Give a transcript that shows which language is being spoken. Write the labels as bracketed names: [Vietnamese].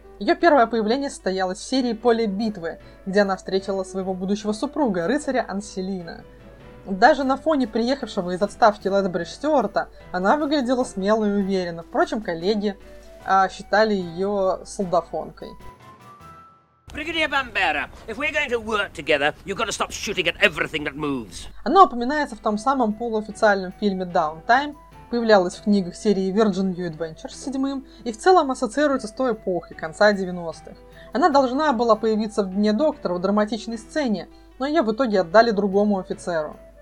[Russian] Ее первое появление состоялось в серии «Поле битвы», где она встретила своего будущего супруга, рыцаря Анселина. Даже на фоне приехавшего из отставки Лэтбридж Стюарта она выглядела смело и уверенно. Впрочем, коллеги считали ее солдафонкой. [English] Brigadier Bambera, if we're going to work together, you've got to stop shooting at everything that moves. [Russian] Она упоминается в том самом полуофициальном фильме «Даунтайм», появлялась в книгах серии Virgin New Adventures с 7-м и в целом ассоциируется с той эпохой, конца 90-х. Она должна была появиться в «Дне доктора» в драматичной сцене, но ее в итоге отдали другому офицеру.